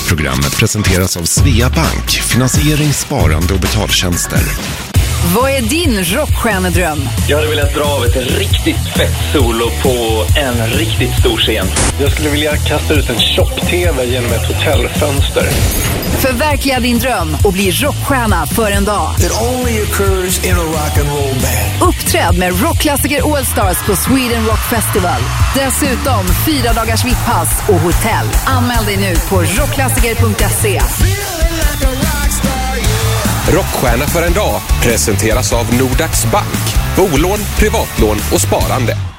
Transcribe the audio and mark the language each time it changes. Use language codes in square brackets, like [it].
[sv] Programmet presenteras av Svea Bank, finansiering, sparande och betaltjänster. Vad är din rockstjärnedröm? Jag hade velat dra av ett riktigt fett solo på en riktigt stor scen. Jag skulle vilja kasta ut en shop-tv genom ett hotellfönster. Förverkliga din dröm och bli rockstjärna för en dag. [en] It only occurs in a rock and roll band. [sv] Uppträd med rockklassiker Allstars på Sweden Rock Festival. Dessutom 4 dagars VIP-pass och hotell. Anmäl dig nu på rockklassiker.se. Rockstjärna för en dag presenteras av Nordax Bank. Bolån, privatlån och sparande.